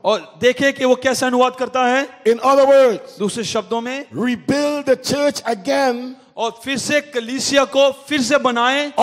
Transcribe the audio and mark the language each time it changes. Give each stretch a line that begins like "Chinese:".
Hindi: और देखें कि वो कैसे अनुवाद करता है
English: in other words
Hindi: दूसरे शब्दों में
English: rebuild the church again
Hindi: और फिर से कलीसिया को फिर से बनाएं